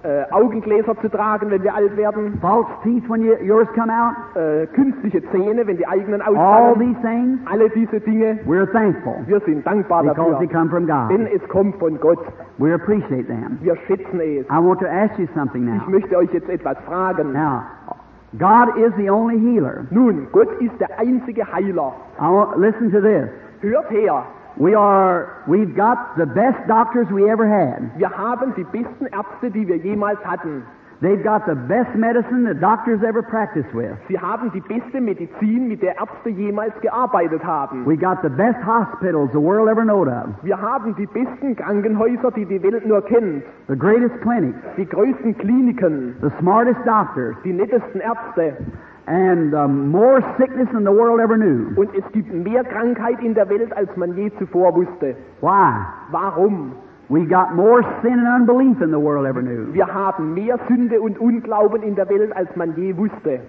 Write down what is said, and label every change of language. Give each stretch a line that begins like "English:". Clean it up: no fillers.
German: Augengläser zu tragen, wenn wir alt werden.
English: False teeth when yours come out.
German: Künstliche Zähne, wenn die eigenen ausfallen.
English: All these things.
German: Alle diese Dinge.
English: We're thankful.
German: Wir sind dankbar
English: because
German: dafür.
English: Because they come from God.
German: Denn es kommt von Gott.
English: We appreciate them.
German: Wir schätzen es.
English: I want to ask you something now.
German: Ich möchte euch jetzt etwas fragen.
English: Now, God is the only healer.
German: Nun, Gott ist der einzige Heiler.
English: Listen to this.
German: Hört her.
English: We've got the best doctors we ever had.
German: Wir haben die besten Ärzte, die wir jemals hatten.
English: They've got the best medicine the doctors ever practiced with.
German: Sie haben die beste Medizin, mit der Ärzte jemals gearbeitet haben.
English: We got the best hospitals the world ever knowed of.
German: Wir haben die besten Krankenhäuser, die Welt nur kennt.
English: The greatest clinics.
German: Die größten Kliniken.
English: The smartest doctors.
German: Die nettesten Ärzte.
English: And more sickness than the world ever knew.
German: Und es gibt mehr Krankheit in der Welt, als man je zuvor wusste.
English: Why?
German: Warum?
English: We got more sin and unbelief than the world ever knew.
German: Wir haben mehr Sünde und Unglauben in der Welt, als man je wusste.